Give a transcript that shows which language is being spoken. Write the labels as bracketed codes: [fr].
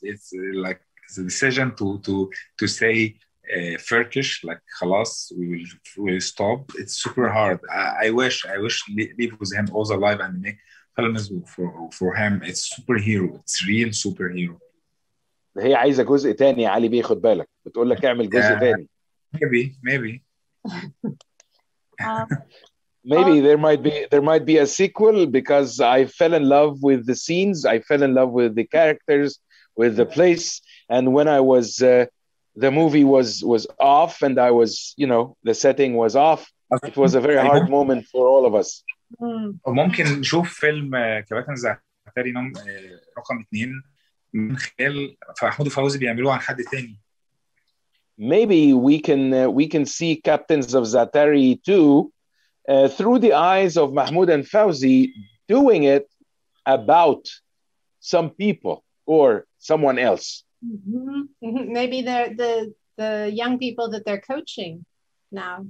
[en] It's like the decision to say Turkish, like [ar] خلاص, [en] we will stop. It's super hard. I wish leave with him all the life and make films for him it's superhero it's real superhero. [ar] هي عايزه جزء تاني يا علي بياخد بالك بتقول لك اعمل جزء تاني. [en] Maybe maybe maybe there might be a sequel because I fell in love with the scenes, I fell in love with the characters, with the place, and when I was the movie was off and I was, you know, the setting was off, it was a very hard moment for all of us. [ar] ممكن نشوف فيلم كباتن زعتري رقم 2 من خلال فحمود فوزي بيعملوه عن حد تاني. [en] Maybe we can see Captains of Zaatari 2 through the eyes of Mahmoud and Fawzi doing it about some people or someone else. Mm-hmm. Maybe the young people that they're coaching now.